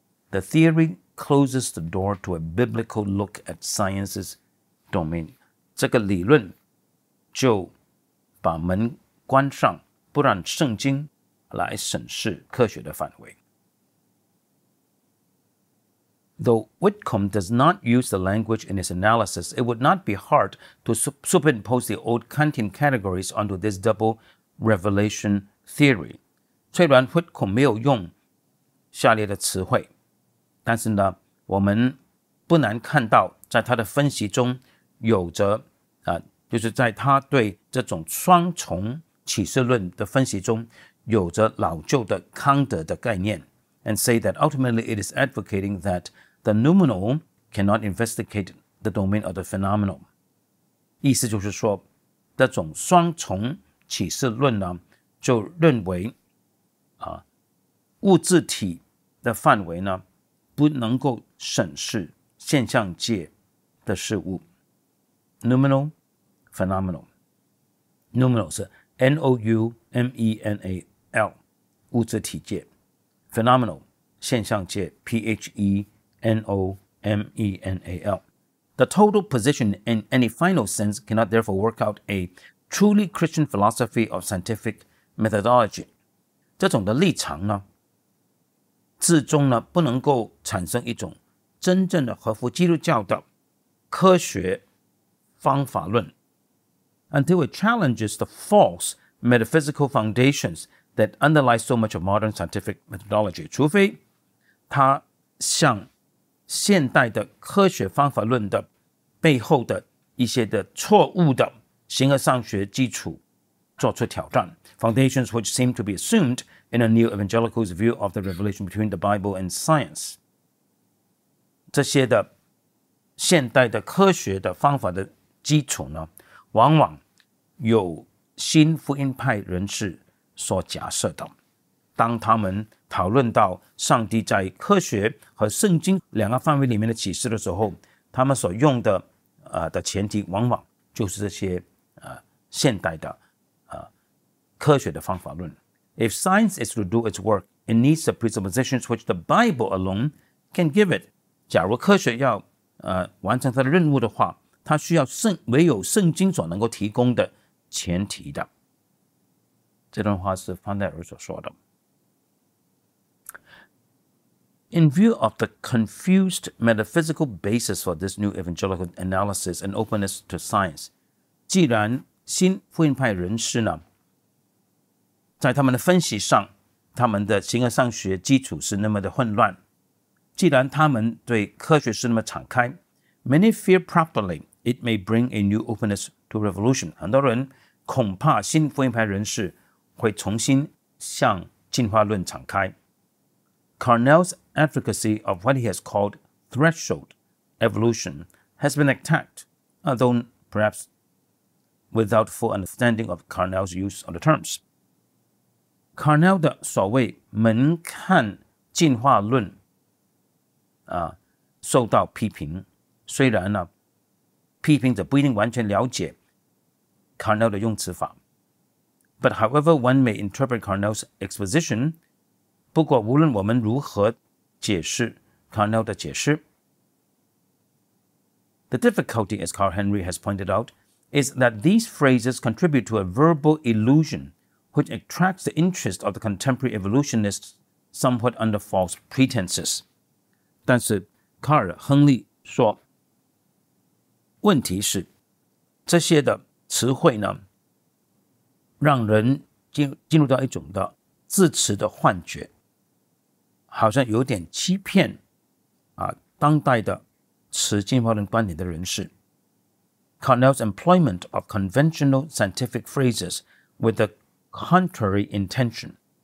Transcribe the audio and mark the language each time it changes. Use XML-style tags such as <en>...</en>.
<en>The theory closes the door to a biblical look at science's domain.</en> <zh>这个理论就把门关上，不让圣经来审视科学的范围。</zh> <en>Though Whitcomb does not use the language in his analysis, it would not be hard to superimpose the old Kantian categories onto this double revelation theory.</en> <zh>虽然 Whitcomb 没有用下列的词汇，但是呢，我们不难看到，在他的分析中有着就是在他对这种双重启示论的分析中有着老旧的康德的概念。</zh> <en>And say that ultimately it is advocating that the noumenal cannot investigate the domain of the phenomenal.</en> <zh>意思就是说，这种双重启示论呢，就认为物质体的范围呢，不能够审视现象界的事物。</zh> <en>Noumenal, phenomenal.</en> <zh>Noumenal 是 N-O-U-M-E-N-A-L 物质体界， Phenomenal 现象界， P-H-E-N-O-M-E-N-A-L.</zh> <en>The total position in any final sense cannot therefore work out a truly Christian philosophy of scientific methodology.</en> <zh>这种的立场呢，至终呢，不能够产生一种真正的合乎基督教的科学方法论。</zh> <en>Until it challenges the false metaphysical foundations that underlie so much of modern scientific methodology,</en> <zh>除非它向现代的科学方法论的背后的一些的错误的形而上学基础做出挑战。</zh> <en>Foundations which seem to be assumed in a new evangelical's view of the revelation between the Bible and science.</en> <zh>这些的现代的科学的方法的基础呢，往往有新福音派人士所假设的。当他们讨论到上帝在科学和圣经两个范围里面的启示的时候，他们所用 的前提往往就是这些现代的科学的方法论。</zh> <en>If science is to do its work, it needs the presuppositions which the Bible alone can give it.</en> <zh>假如科学要完成它的任务的话，它需要唯有圣经所能够提供的前提的。这段话是方戴尔所说的。</zh> <en>In view of the confused metaphysical basis for this new evangelical analysis and openness to science,</en> <zh>既然新福音派人士呢，在他们的分析上，他们的形而上学基础是那么的混乱，既然他们对科学是那么敞开，</zh> <en>Many fear properly it may bring a new openness to revolution.</en> <zh>很多人恐怕新福音派人士会重新向进化论敞开。</zh> <en>Carnell's advocacy of what he has called threshold evolution has been attacked, although perhaps without full understanding of Carnell's use of the terms.</en> <zh>Carnell 的所谓门槛进化论受到批评，虽然呢，批评者不一定完全了解 Carnell 的用词法。</zh> <en>But however one may interpret Carnell's exposition,</en> <zh>不过无论我们如何解释 Carnell 的解释，</zh> <en>The difficulty, as Carl Henry has pointed out, is that these phrases contribute to a verbal illusion which attracts the interest of the contemporary evolutionists somewhat under false pretenses.</en> <zh>但是卡尔·亨利说，问题是这些的词汇呢，让人进入到一种的字词的幻觉，好像有点欺骗当代的词进化论观点的人士。</zh> <en>Carnell's employment of conventional scientific phrases with a contrary intention.</en>